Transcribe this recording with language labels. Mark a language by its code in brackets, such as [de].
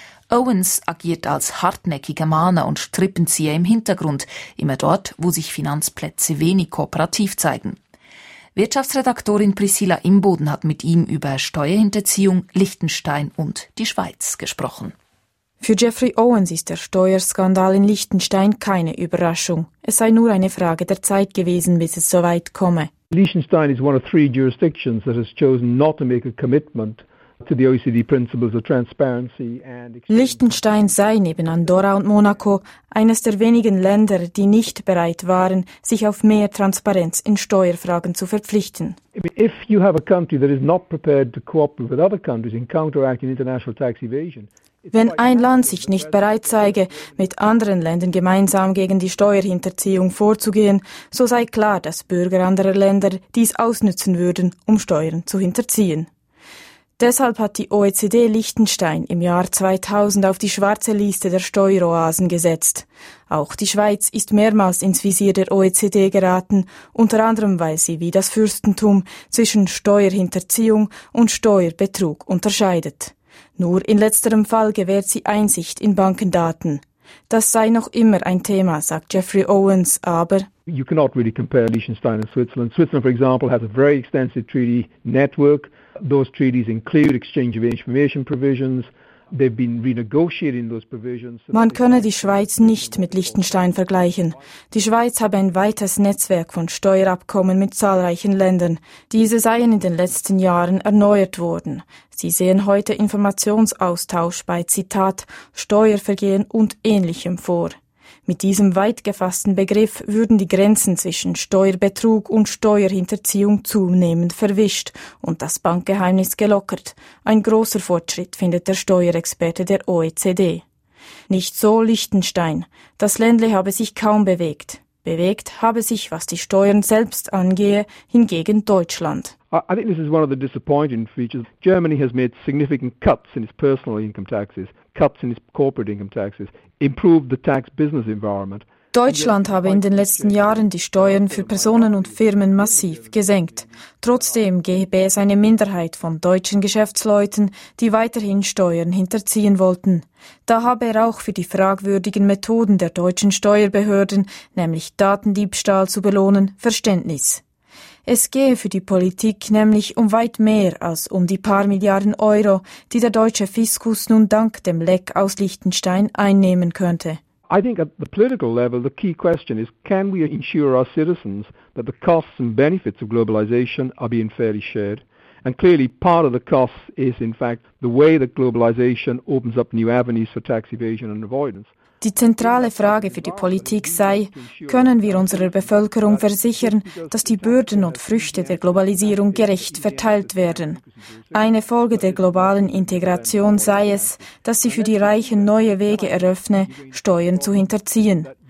[de] Owens agiert als hartnäckiger Mahner und Strippenzieher im Hintergrund, immer dort, wo sich Finanzplätze wenig kooperativ zeigen. Wirtschaftsredaktorin Priscilla Imboden hat mit ihm über Steuerhinterziehung, Liechtenstein und die Schweiz gesprochen. Für Jeffrey Owens ist der Steuerskandal in Liechtenstein keine Überraschung. Es sei nur eine Frage der Zeit gewesen, bis es so weit komme. [en] Liechtenstein is one of three jurisdictions that has chosen not to make a commitment to the OECD principles of transparency and exchange. [de] Liechtenstein sei neben Andorra und Monaco eines der wenigen Länder, die nicht bereit waren, sich auf mehr Transparenz in Steuerfragen zu verpflichten. [en] If you have a country that is not prepared to cooperate with other countries in counteracting international tax evasion. [de] Wenn ein Land sich nicht bereit zeige, mit anderen Ländern gemeinsam gegen die Steuerhinterziehung vorzugehen, so sei klar, dass Bürger anderer Länder dies ausnützen würden, um Steuern zu hinterziehen. Deshalb hat die OECD Liechtenstein im Jahr 2000 auf die schwarze Liste der Steueroasen gesetzt. Auch die Schweiz ist mehrmals ins Visier der OECD geraten, unter anderem weil sie, wie das Fürstentum, zwischen Steuerhinterziehung und Steuerbetrug unterscheidet. Nur in letzterem Fall gewährt sie Einsicht in Bankendaten. Das sei noch immer ein Thema, sagt Jeffrey Owens, aber [en] you cannot really compare Liechtenstein and Switzerland. Switzerland, for example, has a very extensive treaty network. Those treaties include exchange of information provisions. They've been renegotiating those provisions. [de] Man könne die Schweiz nicht mit Liechtenstein vergleichen. Die Schweiz habe ein weites Netzwerk von Steuerabkommen mit zahlreichen Ländern. Diese seien in den letzten Jahren erneuert worden. Sie sehen heute Informationsaustausch bei, Zitat, Steuervergehen und Ähnlichem vor. Mit diesem weit gefassten Begriff würden die Grenzen zwischen Steuerbetrug und Steuerhinterziehung zunehmend verwischt und das Bankgeheimnis gelockert. Ein großer Fortschritt, findet der Steuerexperte der OECD. Nicht so Liechtenstein. Das Ländle habe sich kaum bewegt. Bewegt habe sich, was die Steuern selbst angehe, hingegen Deutschland. [en] I think this is one of the disappointing features. Germany has made significant cuts in its personal income taxes, cuts in its corporate income taxes, improved the tax business environment. [de] Deutschland habe in den letzten Jahren die Steuern für Personen und Firmen massiv gesenkt. Trotzdem gäbe es eine Minderheit von deutschen Geschäftsleuten, die weiterhin Steuern hinterziehen wollten. Da habe er auch für die fragwürdigen Methoden der deutschen Steuerbehörden, nämlich Datendiebstahl zu belohnen, Verständnis. Es gehe für die Politik nämlich um weit mehr als um die paar Milliarden Euro, die der deutsche Fiskus nun dank dem Leck aus Liechtenstein einnehmen könnte. [en] I think at the political level the key question is, can we ensure our citizens that the costs and benefits of globalization are being fairly shared? And clearly part of the costs is in fact the way that globalization opens up new avenues for tax evasion and avoidance. [de] Die zentrale Frage für die Politik sei, können wir unserer Bevölkerung versichern, dass die Bürden und Früchte der Globalisierung gerecht verteilt werden? Eine Folge der globalen Integration sei es, dass sie für die Reichen neue Wege eröffne, Steuern zu hinterziehen.